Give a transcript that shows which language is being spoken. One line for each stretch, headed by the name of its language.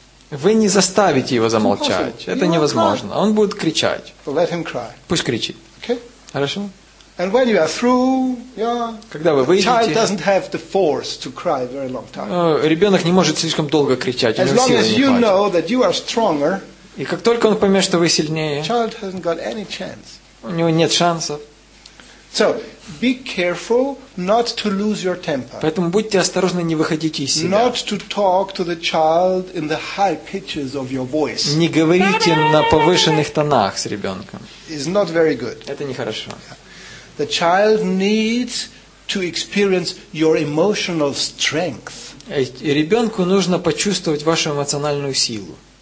Russian: вы не заставите его замолчать. Это невозможно. Он будет кричать. Пусть кричит. Хорошо?
English: And when you are through,
Russian: когда вы выйдете,
English: child doesn't have the force to cry very long time.
Russian: Ребенок не может слишком долго кричать.
English: As long as you know that you are stronger,
Russian: и как только он поймет, что вы сильнее,
English: child hasn't got any chance.
Russian: У него нет шансов.
English: So, be careful not to lose your temper.
Russian: Поэтому будьте осторожны, не выходите из себя.
English: Not to talk to the child in the high pitches of your voice.
Russian: Не говорите на повышенных тонах с ребенком.
English: It's not very good.
Russian: Это нехорошо.
English: The child needs to experience your emotional strength.
Russian: Ребенку нужно почувствовать вашу эмоциональную силу.